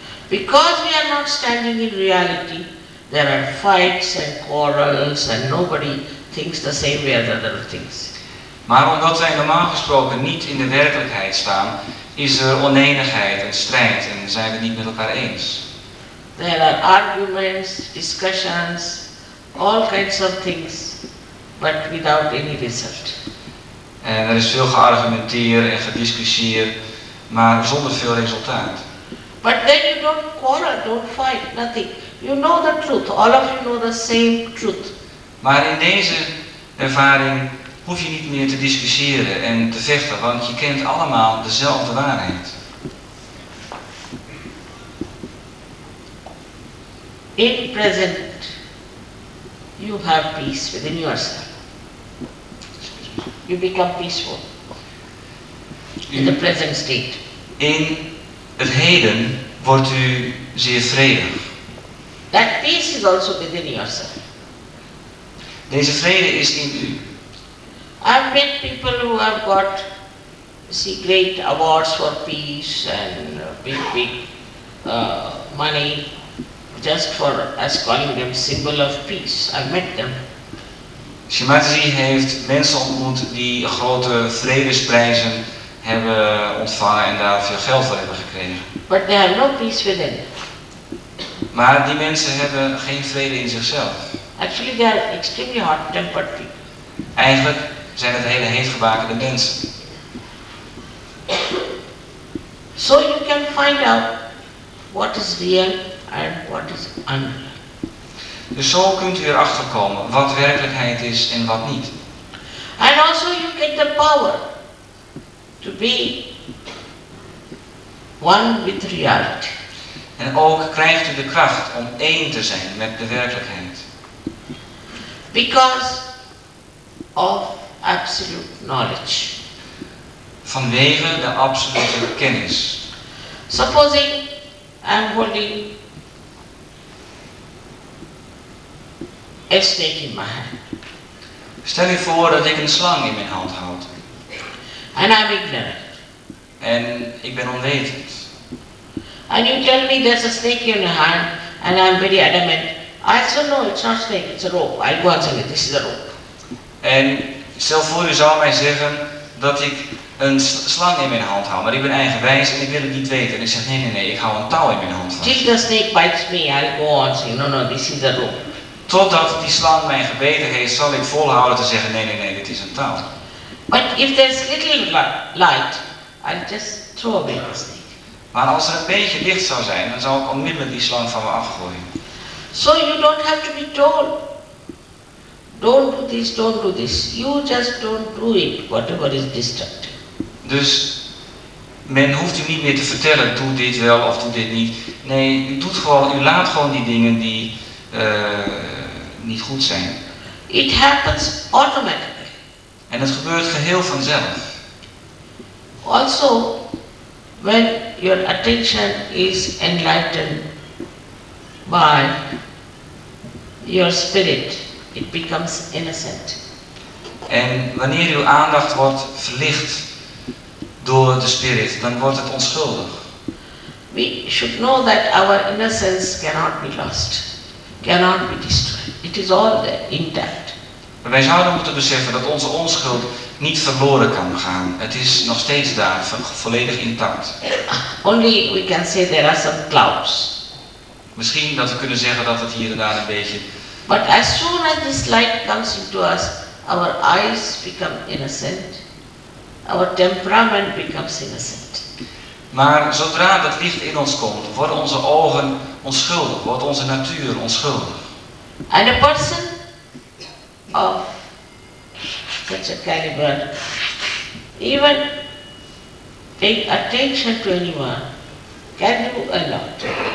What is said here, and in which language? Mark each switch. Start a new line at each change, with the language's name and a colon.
English: Because we are not standing in reality, there are fights and quarrels and nobody thinks the same way as other things.
Dutch: Maar omdat wij normaal gesproken niet in de werkelijkheid staan, is er oneenigheid en strijd en zijn we niet met elkaar eens.
English: There are arguments, discussions, all kinds of things, but without any result.
Dutch: En er is veel geargumenteerd en gediscussieerd, maar zonder veel resultaat.
English: But then you don't quarrel, don't fight, nothing. You know the truth. All of you know the same truth.
Dutch: Maar in deze ervaring hoef je niet meer te discussiëren en te vechten, want je kent allemaal dezelfde waarheid.
English: In present, you have peace within yourself. You become peaceful in the present state.
Dutch: In het heden wordt u zeer vredig.
English: That peace is also within yourself.
Dutch: Deze vrede is in u.
English: I've met people who have got, see, great awards for peace and big money just for us calling them symbol of peace. I've met them.
Dutch: Shri Mataji heeft mensen ontmoet die grote vredesprijzen hebben ontvangen en daar veel geld voor hebben gekregen.
English: But they have no peace within.
Dutch: Maar die mensen hebben geen vrede in zichzelf.
English: Actually, they are extremely hot-tempered people.
Dutch: Eigenlijk zijn het hele heetgebakende mensen.
English: So you can find out what is real and what is unreal.
Dutch: Dus zo kunt u erachter komen wat werkelijkheid is en wat niet.
English: And also you get the power to be one with reality.
Dutch: En ook krijgt u de kracht om één te zijn met de werkelijkheid.
English: Because of absolute knowledge.
Dutch: Vanwege de absolute kennis.
English: Supposing I'm holding a snake in my hand.
Dutch: Stel je voor dat ik een slang in mijn hand houd.
English: And I'm ignorant.
Dutch: En ik ben onwetend.
English: And you tell me there's a snake in your hand and I'm very adamant. I said, no, it's not snake, it's a rope. I go and tell you, this is a rope.
Dutch: En stel voor, u zou mij zeggen dat ik een slang in mijn hand hou, maar ik ben eigenwijs en ik wil het niet weten. En ik zeg, nee, ik hou een touw in mijn hand vast.
English: Till the snake bites me, I'll go on saying, no, this is a rope.
Dutch: Totdat die slang mij gebeten heeft, zal ik volhouden te zeggen, nee, dit is een touw.
English: But if there's little light, I'll just throw away the snake.
Dutch: Maar als er een beetje licht zou zijn, dan zou ik onmiddellijk die slang van me afgooien.
English: So you don't have to be told. Don't do this, don't do this. You just don't do it, whatever is destructive.
Dutch: Dus men hoeft u niet meer te vertellen, doe dit wel of doe dit niet. Nee, u doet gewoon, u laat gewoon die dingen die niet goed zijn.
English: It happens automatically.
Dutch: En het gebeurt geheel vanzelf.
English: Also, when your attention is enlightened by your spirit, it becomes innocent.
Dutch: En wanneer uw aandacht wordt verlicht door de spirit, dan wordt het onschuldig.
English: We should know that our innocence cannot be lost, cannot be destroyed. It is all intact.
Dutch: Wij zouden moeten beseffen dat onze onschuld niet verloren kan gaan. Het is nog steeds daar, volledig intact.
English: Only we can say there are some clouds.
Dutch: Misschien dat we kunnen zeggen dat het hier en daar een beetje.
English: But as soon as this light comes into us, our eyes become innocent. Our temperament becomes innocent.
Dutch: Maar zodra dat licht in ons komt, worden onze ogen onschuldig, wordt onze natuur onschuldig.
English: And a person of such a caliber, even paying attention to anyone, can do a lot.